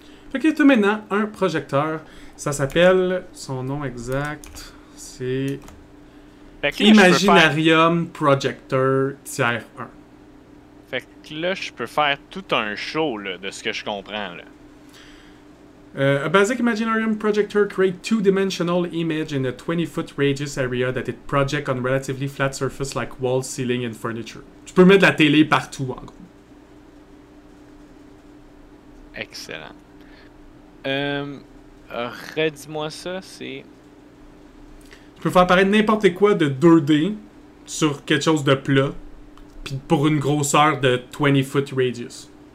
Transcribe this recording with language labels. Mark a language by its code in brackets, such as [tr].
[fr] Fait que tu as maintenant un projecteur, ça s'appelle, son nom exact, c'est fait que là, Imaginarium faire... [en] Projector Tier 1. [fr] Fait que là, je peux faire tout un show là, de ce que je comprends. Là. [en] A basic Imaginarium Projector create two-dimensional image in a 20-foot radius area that it project on relatively flat surface like wall, ceiling and furniture. [fr] Tu peux mettre de la télé partout en gros. Excellent. Redis-moi ça, c'est... Tu peux faire apparaître n'importe quoi de 2D sur quelque chose de plat pis pour une grosseur de 20 foot radius.